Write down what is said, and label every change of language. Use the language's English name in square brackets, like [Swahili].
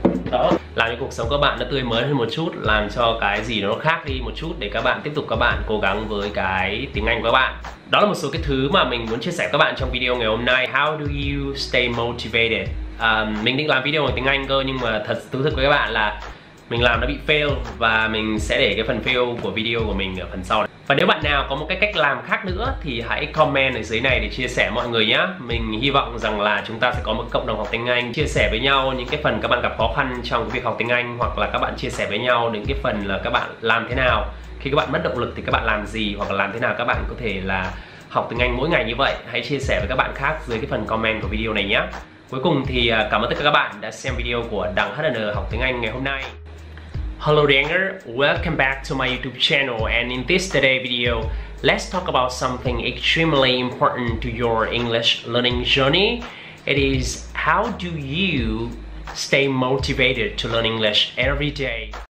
[Vietnamese] Đó, làm cho cuộc sống các bạn nó tươi mới hơn một chút, làm cho cái gì nó khác đi một chút để các bạn tiếp tục các bạn cố gắng với cái tiếng Anh của các bạn. Đó là một số cái thứ mà mình muốn chia sẻ với các bạn trong video ngày hôm nay. [English] How do you stay motivated? [Vietnamese] Mình định làm video bằng tiếng Anh cơ, nhưng mà thật thú thực với các bạn là mình làm nó bị fail, và mình sẽ để cái phần fail của video của mình ở phần sau này. Và nếu bạn nào có một cái cách làm khác nữa thì hãy comment ở dưới này để chia sẻ mọi người nhé. Mình hy vọng rằng là chúng ta sẽ có một cộng đồng học tiếng Anh, chia sẻ với nhau những cái phần các bạn gặp khó khăn trong cái việc học tiếng Anh, hoặc là các bạn chia sẻ với nhau những cái phần là các bạn làm thế nào khi các bạn mất động lực thì các bạn làm gì, hoặc là làm thế nào các bạn có thể là học tiếng Anh mỗi ngày như vậy. Hãy chia sẻ với các bạn khác dưới cái phần comment của video này nhé. Cuối cùng thì cảm ơn tất cả các bạn đã xem video của Đặng HNN học tiếng Anh ngày hôm nay. [English] Hello Danger, welcome back to my YouTube channel, and in this today video, let's talk about something extremely important to your English learning journey. It is, how do you stay motivated to learn English every day?